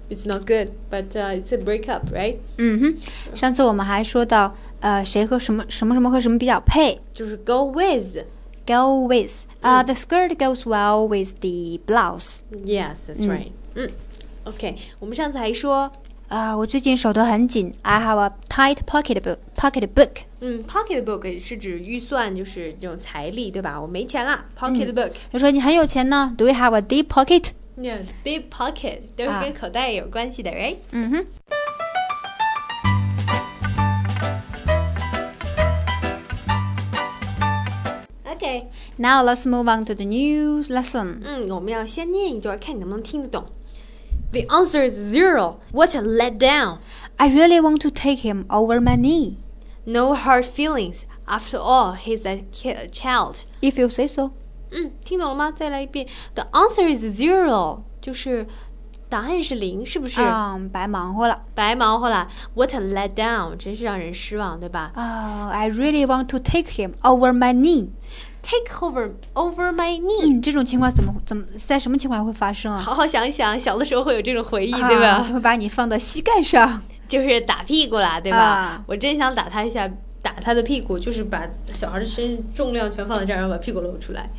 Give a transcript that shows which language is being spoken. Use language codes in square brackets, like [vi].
[en] It's not good, but it's a breakup, right? [zh] 上次我们还说到，谁和什么和什么比较配，就是 go with。 [en] Go with. The skirt goes well with the blouse. Yes, that's right. Okay, [zh] 我们上次还说，我最近手头很紧。 [en] I have a tight pocketbook. [zh] Pocketbook 是指预算，就是这种财力，对吧？我没钱了 ，pocketbook。你说你很有钱呢 [en] ？Do you have a deep pocket? [zh] Yeah, deep pocket 都是跟口袋有关系的 ，right? [en] Okay. Now let's move on to the new lesson. [zh] 我们要先念一段，看你能不能听得懂。 [en] The answer is zero. What a letdown. I really want to take him over my knee. No hard feelings. After all, he's a child. If you say so. [zh] 听懂了吗？再来一遍。 [en] The answer is zero. [zh] 就是答案是零，是不是？白忙活了。白忙活了。 [en] What a letdown. [zh] 真是让人失望，对吧？ [en] I really want to take him over my knee. Take over my knee. [zh] 这种情况怎么在什么情况会发生啊？好好想想，小的时候会有这种回忆，对吧？会把你放到膝盖上，就是打屁股了，对吧？我真想打他一下，打他的屁股，就是把小孩的身重量全放在这儿，然后把屁股露出来。